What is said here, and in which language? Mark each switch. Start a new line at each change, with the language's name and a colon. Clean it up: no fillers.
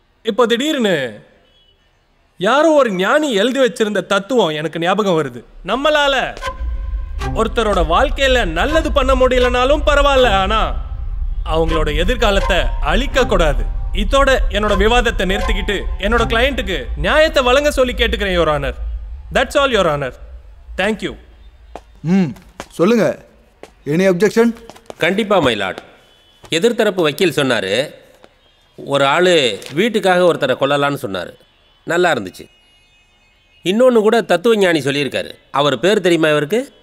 Tamil: இப்போ திடீர்னு யாரோ ஒரு ஞானி எழுதி வச்சிருந்த தத்துவம் எனக்கு ஞாபகம் வருது. நம்மளால ஒருத்தரோட வாழ்க்கையில நல்லது பண்ண முடியலனாலும் பரவாயில்ல, ஆனா அவங்களோட எதிர்காலத்தை அழிக்க கூடாது. இதோட என்னோட விவாதத்தை நிறுத்திக்கிட்டு என்னோட கிளையண்ட்டுக்கு நியாயத்தை வழங்க சொல்லி கேட்டுக்கிறேன்.
English: Your honour, That's all, Your Honor. Thank you.
Tamil: சொல்லுங்க, என்ன அப்ஜெக்ஷன்? கண்டிப்பா மை லார்ட், எதிர்த்தரப்பு வக்கீல் சொன்னாரு ஒரு ஆளு வீட்டுக்காக ஒருத்தரை கொல்லலாம்னு சொன்னாரு, நல்லா இருந்துச்சு. இன்னொன்னு கூட தத்துவ ஞானி சொல்லியிருக்காரு, அவர் பேர் தெரியுமா இவருக்கு?